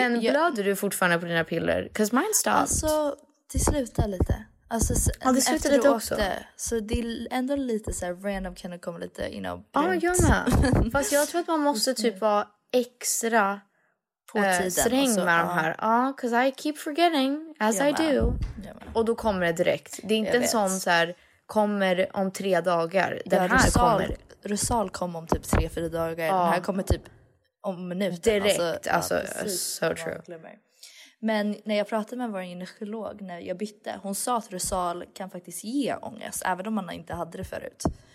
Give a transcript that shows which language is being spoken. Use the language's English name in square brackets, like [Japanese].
[Swedish] blöder du fortfarande på dina piller? [English] 'Cause mine stopped. [Swedish] Alltså det slutar lite. Alltså, det slutade lite också. Så det är ändå lite så här random, kan det komma lite, you know, brunt. Ja, men. Fast jag tror att man måste typ vara extra på tiden sträng med de här. [English] Ja, because I keep forgetting, as I do. [Swedish] Och då kommer det direkt. Det är inte en sån så här, kommer om 3 dagar. Rosal kommer om typ 3-4 dagar. Ja. Den här kommer typ om minuten. Direkt, alltså [English] so true. [Swedish] Men när jag pratade med vår gynekolog när jag bytte, hon sa att Rosal kan faktiskt ge ångest, även om man inte hade det förut.